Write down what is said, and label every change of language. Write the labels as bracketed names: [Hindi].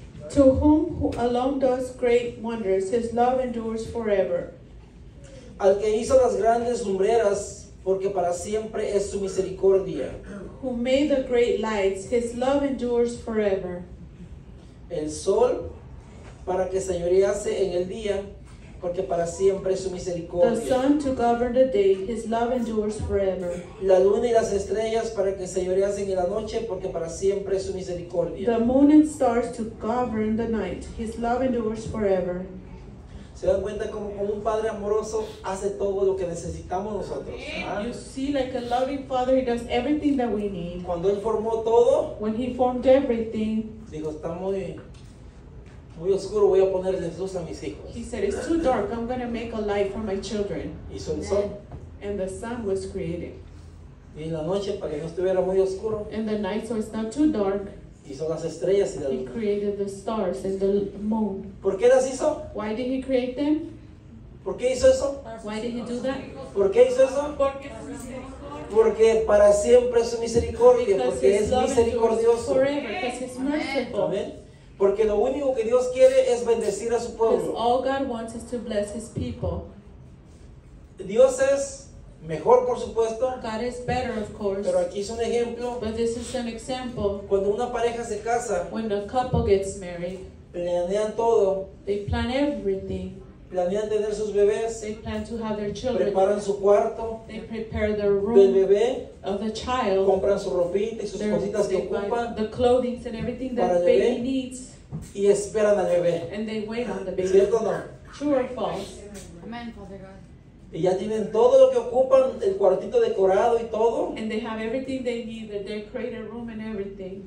[English] To whom alone does great wonders, his love endures forever. [Spanish] Al que hizo las grandes lumbreras, porque para siempre es su misericordia. [English] Who made the great lights, his love endures forever. [Spanish] El sol, para que señorease en el día, porque para siempre es su misericordia. [English] The sun to govern the day, his love endures forever. [Spanish] La luna y las estrellas para que señoreasen en la noche, porque para siempre es su misericordia. [English] The moon and stars to govern the night, his love endures forever. [Spanish] Se dan cuenta como un padre amoroso hace todo lo que necesitamos nosotros. ¿Ah? [English] You see, like a loving father, he does everything that we need. [Spanish] Cuando él formó todo, [English] when he formed everything, [Spanish] dijo, está muy bien. Muy oscuro, voy a ponerle luz a mis hijos. [English] He said, it's too dark, I'm going to make a light for my children. [Spanish] Hizo el sol. [English] And the sun was created. [Spanish] Y en la noche, para que no estuviera muy oscuro. [English] And the night, so it's not too dark. [Spanish] Hizo las estrellas y la luna. [English] He created the stars and the moon. [Spanish] ¿Por qué las hizo? [English] Why did he create them? [Spanish] ¿Por qué hizo eso? Why did he do that? ¿Por qué hizo eso? Porque es misericordia. Porque para siempre es su misericordia, porque es misericordioso. [English] Forever, because he's merciful. Amen. [Spanish] Porque lo único que Dios quiere es bendecir a su pueblo. [English] Because all God wants is to bless his people. [Spanish] Dios es mejor, por supuesto. [English] God is better, of course. [Spanish] Pero aquí es un ejemplo. [English] But this is an example. [Spanish] Cuando una pareja se casa. [English] When a couple gets married. [Spanish] Planean todo. [English] They plan everything. [Spanish] Planean tener sus bebés. [English] They plan to have their children. [Spanish] Preparan su cuarto. [English] They prepare their room. [Spanish] Del bebé. [English] Of the child. [Spanish] Compran su ropita y sus cositas que ocupan. [English] The clothing and everything that the baby needs. [Spanish] Y esperan al bebé. [English] And they wait on the baby. [Spanish] ¿Cierto o no? [English] True or false? Amen, Father God. [Spanish] Y ya tienen todo lo que ocupan, el cuartito decorado y todo. [English] And they have everything they need, the decorated room and everything.